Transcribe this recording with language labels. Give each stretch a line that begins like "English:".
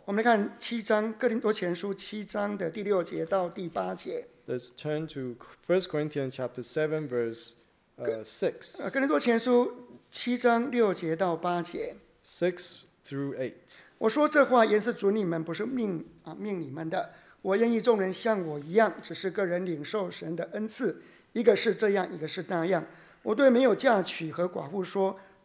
Chinese: 我们来看七章哥林多前书七章的第六节到第八节。
English: Let's turn to 1 Corinthians chapter 7, verse 6.
Chinese: 哥林多前书七章六节到八节。
English: 6 through 8.
Chinese: 我说这话原是主你们，不是命你们的。我愿意众人像我一样，只是个人领受神的恩赐，一个是这样，一个是那样。我对没有嫁娶和寡妇说。